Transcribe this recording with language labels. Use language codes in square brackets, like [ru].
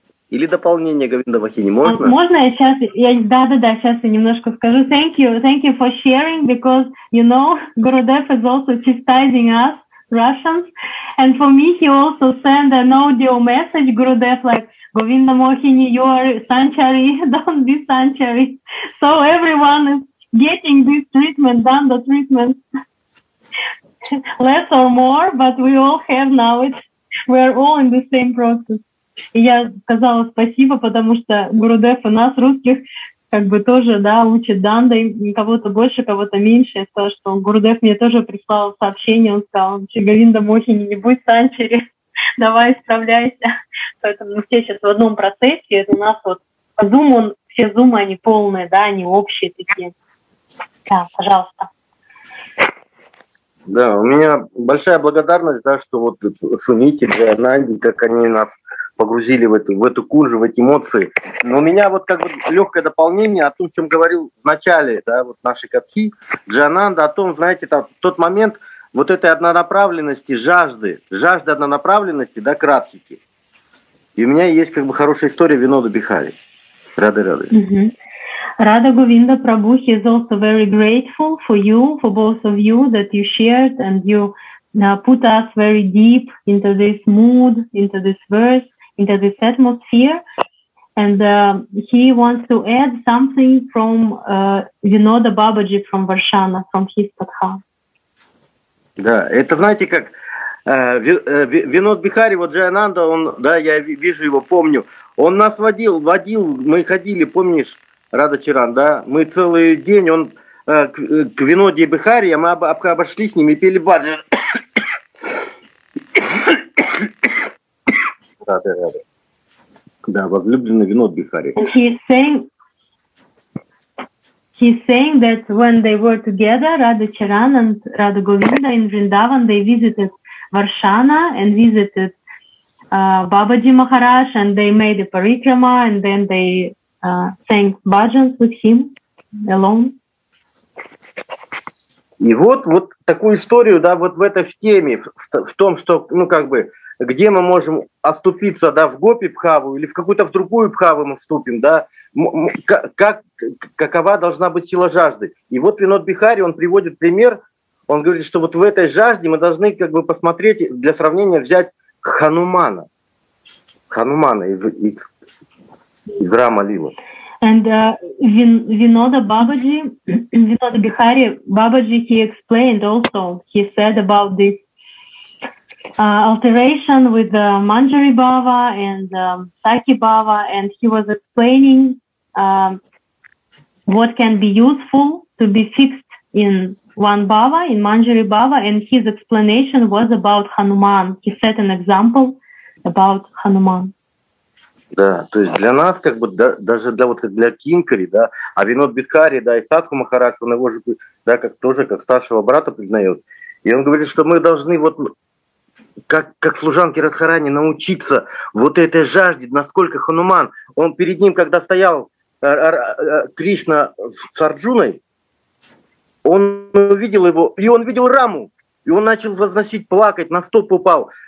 [ru] Или дополнение, Говинда Вахини, можно? Можно я сейчас, да, сейчас я немножко скажу. [en] Thank you for sharing, because, you know, Gurudev is also chastising us, Russians. And for me, he also sent an audio message, Gurudev, like, Govinda Mohini, you are sanctuary, don't be sanctuary. So everyone is getting this treatment, done the treatment. Less or more, but we all have now it. We're all in the same process. [ru] И я сказала спасибо, потому что Гурудев у нас, русских, как бы тоже, да, учит данда, кого-то больше, кого-то меньше. То, что Гурудев мне тоже прислал сообщение, он сказал, что Говинда Мохини, не будь санчари, давай исправляйся. Поэтому мы все сейчас в одном процессе, это у нас вот зум, он, все зумы, они полные, да, они общие такие. Да, пожалуйста. Да, у меня большая благодарность, да, что вот Сунити, Джайананди, как они нас погрузили в эту кунжу, в эти эмоции. Но у меня вот как бы легкое дополнение о том, о чем говорил в начале, да, вот нашей катхи, Джайананда, о том, знаете, там, тот момент вот этой однонаправленности, жажды однонаправленности, да, кратчики. И у меня есть как бы хорошая история Винода Бихари. Рады. [en] Radha Govinda Prabhu, he is also very grateful for you, for both of you, that you shared and you put us very deep into this mood, into this verse, into this atmosphere. And he wants to add something from Vinoda Babaji from Varshana, from his Padha. [ru] Да, это знаете как, Vinod Bihari, вот Джайананда, он, да, я вижу его, помню, он нас водил, мы ходили, помнишь, Радха Чаран, да, мы целый день, он к Виноде Бихари, мы обошли с ним и пели баджан. Рады. Да, возлюбленный Винод Бихари. [en] He's saying that when they were together, Radha Charan and Radha Govinda in Vrindavan, they visited Varshana and visited Babaji Maharaj, and they made a parikrama, and then they sang bhajans with him alone. [ru] И вот, вот такую историю, да, вот в этой теме, в том, что, ну, как бы, где мы можем оступиться, да, в гопи-бхаву или в какую-то в другую бхаву мы вступим, да, как, какова должна быть сила жажды. И вот Винод Бихари, он приводит пример, он говорит, что вот в этой жажде мы должны, как бы, посмотреть, для сравнения взять Ханумана, Ханумана из Рама-лилы. [en] And Vinoda Babaji, Vinoda Bihari Babaji, he explained also, he said about this alteration with the Manjari Bhava and Saki Bhava, and he was explaining what can be useful to be fixed in one Bhava, in Manjari Bhava, and his explanation was about Hanuman. He set an example about Hanuman. [ru] Да, то есть для нас, как бы, да, даже для, вот, как для Кинкари, да, а Винод Бихари, да, и Садху Махарадж, он его же, да, как, тоже как старшего брата признает. И он говорит, что мы должны вот, как служанки Радхарани, научиться вот этой жажде, насколько Хануман, он перед ним, когда стоял Кришна с Арджуной, он увидел его, и он видел Раму, и он начал возносить, плакать, на стоп упал.